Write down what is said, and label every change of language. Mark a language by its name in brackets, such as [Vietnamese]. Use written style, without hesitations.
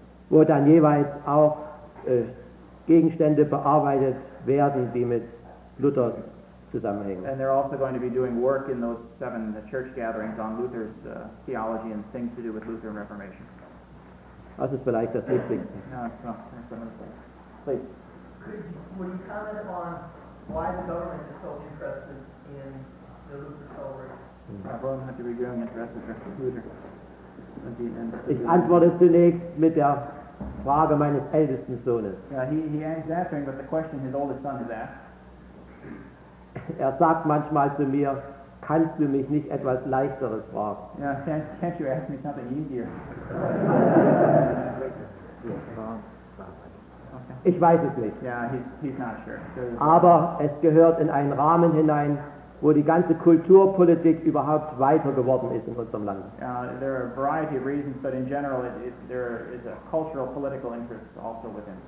[German] Wo dann jeweils auch Gegenstände bearbeitet werden, die mit Luther zusammenhängen. [English] And they're also going to be doing work in those 7 church gatherings on Luther's theology and things to do with Luther and Reformation. [German] Das ist vielleicht das Wichtigste. [English] No, would you comment on why the government is so interested in the Luther celebration? [German] Warum hat die Regierung Interesse für Luther? Ich antworte zunächst mit der Frage meines ältesten Sohnes. [English] He is answering, but the question his oldest son has asked. [German] Er sagt manchmal zu mir, kannst du mich nicht etwas Leichteres fragen? [English] Yeah, can't you ask me something easier? Okay. [German] Ich weiß es nicht. [English] Yeah, he's not sure. [German] Aber es gehört in einen Rahmen hinein, wo die ganze Kulturpolitik überhaupt weiter geworden ist in unserem Land. [English] There are a variety of reasons, but in general there is a cultural political interest also within.